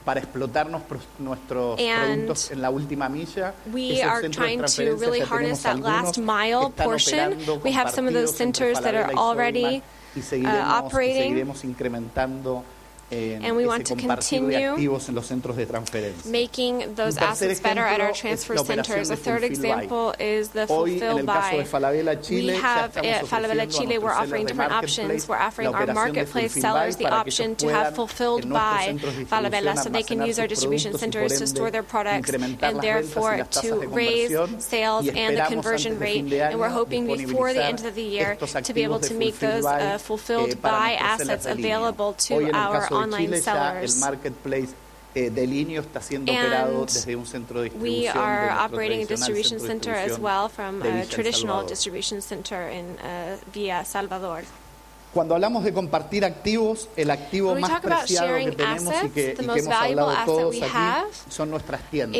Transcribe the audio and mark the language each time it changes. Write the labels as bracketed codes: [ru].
[es] Para explotar nuestros productos en la última milla. [en] We are trying to really harness that last mile portion. We have some of those centers that are already operating, and we want to continue making those assets better at our transfer centers. A third example is the Fulfill Buy. We have at Falabella Chile, we're offering different options. We're offering our marketplace sellers the option to have Fulfilled Buy Falabella so they can use our distribution centers to store their products and therefore to raise sales and the conversion rate. And we're hoping before the end of the year to be able to make those Fulfilled Buy assets available to our online sellers. [es] De Linio está siendo operado desde un centro de distribución. [en] We are operating a distribution center as well from a traditional distribution center in Villa Salvador. [es] Cuando hablamos de compartir activos, el activo más preciado que tenemos [en] assets, [es] y que hemos hablado todos aquí son nuestras tiendas.